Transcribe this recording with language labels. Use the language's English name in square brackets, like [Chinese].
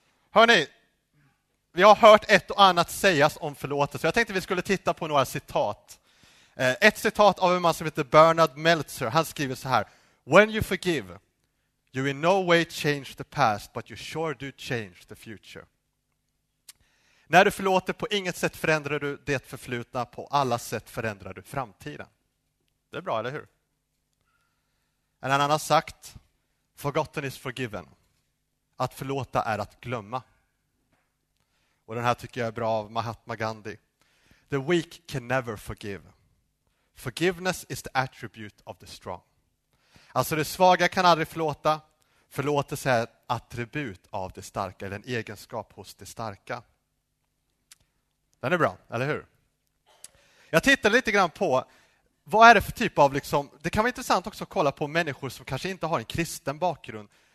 [Swedish] Hörrni, vi har hört ett och annat sägas om förlåtelse. Jag tänkte vi skulle titta på några citat. Ett citat av en man som heter Bernard Meltzer. Han skriver så här. [English] When you forgive, you in no way change the past, but you sure do change the future. [Swedish] När du förlåter, på inget sätt förändrar du det förflutna. På alla sätt förändrar du framtiden. Det är bra, eller hur? En annan har sagt, [English] forgotten is forgiven. [Swedish] Att förlåta är att glömma. Och den här tycker jag är bra av Mahatma Gandhi. [English] The weak can never forgive. Forgiveness is the attribute of the strong. [Swedish] Alltså det svaga kan aldrig förlåta. Förlåtelse är ett attribut av det starka, eller en egenskap hos det starka. Den är bra, eller hur? Jag tittar lite grann på vad är det för typ av liksom, det kan vara intressant också att kolla på människor som kanske inte har en kristen bakgrund.